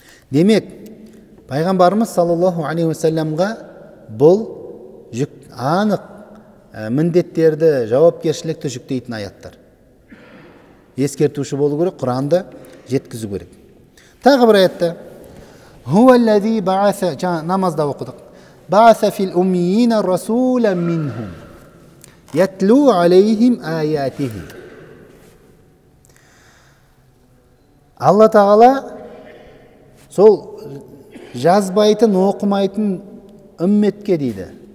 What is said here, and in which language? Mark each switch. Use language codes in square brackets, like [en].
[kk] Демек, пайғамбарымыз саллаллаху алейхи ва саллямға бұл жүк анық міндеттерді, жауапкершілікті жүктейтін аяттар. Ескертуші болу керек, Құранды жеткізу керек. Тағы бір аятта [ar] هُوَ الَّذِي بَعَثَ [kk] намазда оқыдық [ar] بَعَثَ فِي الْأُمِّيِّينَ رَسُولًا مِّنْهُمْ يَتْلُو عَلَيْهِمْ آيَاتِهِ [kk] Алла Тағала сол жазбайтын, оқымайтын үмметке дейді.